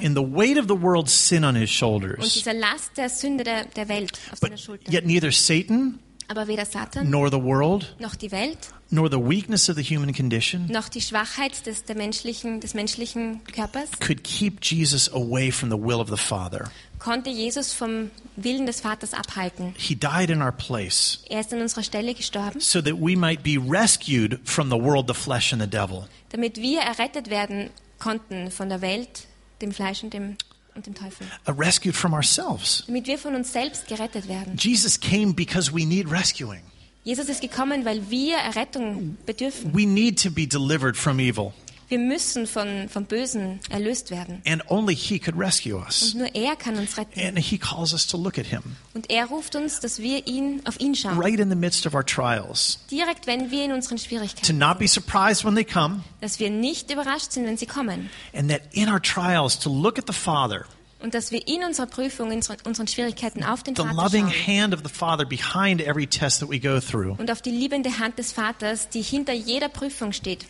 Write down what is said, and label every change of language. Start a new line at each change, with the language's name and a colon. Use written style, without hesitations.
English: In the weight of the world's sin on his shoulders.
German: Und dieser Last der Sünde der Welt auf seiner Schulter.
English: Yet neither Satan.
German: aber weder Satan,
English: nor the world,
German: noch die Welt,
English: nor the weakness of the human condition,
German: noch die Schwachheit des menschlichen Körpers,
English: could keep Jesus away from the will of the Father.
German: Konnte Jesus vom Willen des Vaters abhalten.
English: He died in our place,
German: er ist an unserer Stelle gestorben,
English: so that we might be rescued from the world, the flesh and the devil.
German: Damit wir errettet werden konnten von der Welt, dem Fleisch und dem Teufel.
English: Rescued from ourselves.
German: Damit wir von uns selbst gerettet werden.
English: Jesus came because we need rescuing.
German: Jesus ist gekommen, weil wir Errettung bedürfen.
English: We need to be delivered from evil.
German: Wir müssen vom Bösen erlöst werden.
English: And only he could rescue us.
German: Und nur er kann uns retten.
English: And he calls us to look at him.
German: Und er ruft uns, dass wir auf ihn schauen.
English: Right in the midst of our trials.
German: Direkt, wenn wir in unseren Schwierigkeiten.
English: To not be surprised when they come.
German: Dass wir nicht überrascht sind, wenn sie kommen.
English: And that in our trials to look at the Father.
German: Und dass wir in unserer Prüfung, in unseren Schwierigkeiten auf den
English: the
German: Vater
English: loving
German: schauen.
English: Hand of the Father behind every test that we go through.
German: Und auf die liebende Hand des Vaters, die hinter jeder Prüfung steht.